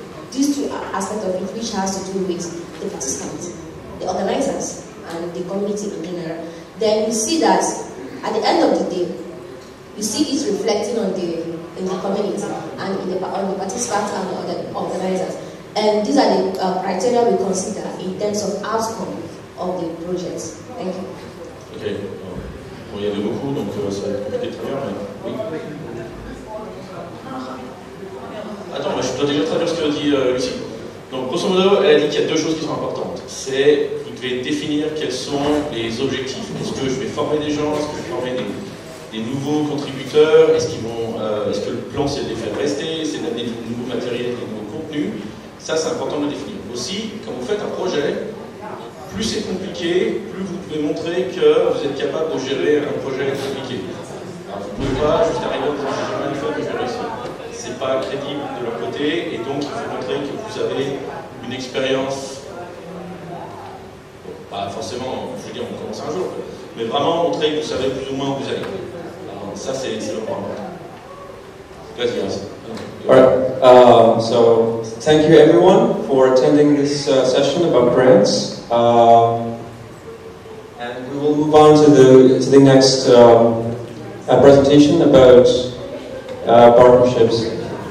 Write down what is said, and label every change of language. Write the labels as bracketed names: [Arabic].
[English] These two aspects of it, which has to do with the participants, the organizers, and the community in general, then you see that at the end of the day, you see it reflecting on the in the community and in the on the participants and the other organizers. And these are the criteria we consider in terms of outcome of the projects. Thank you. Okay. [French] Il y en a beaucoup, donc ça va être très bien. Mais... Oui. Attends, je dois déjà traduire ce que dit Lucie. Donc, grosso modo, elle a dit qu'il y a deux choses qui sont importantes. C'est, vous devez définir quels sont les objectifs. Est-ce que je vais former des gens? Est-ce que je vais former des nouveaux contributeurs? Est-ce qu'ils vont, est-ce que le plan, c'est de les faire rester? C'est d'amener du nouveau matériel, du nouveau contenu? Ça, c'est important de le définir. Aussi, quand vous faites un projet, plus c'est compliqué, plus vous pouvez montrer que vous êtes capable de gérer un projet compliqué. Alors vous ne pouvez pas juste arriver à vous gérer une fois que j'ai réussi. Ce n'est pas crédible de leur côté, et donc il faut montrer que vous avez une expérience, bon, pas forcément, je veux dire, on commence un jour, mais vraiment montrer que vous savez plus ou moins où vous allez. Alors ça, c'est le point important. Vas-y, vas-y. [English] Alright, so thank you everyone for attending this session about grants. And we will move on to the next presentation about partnerships.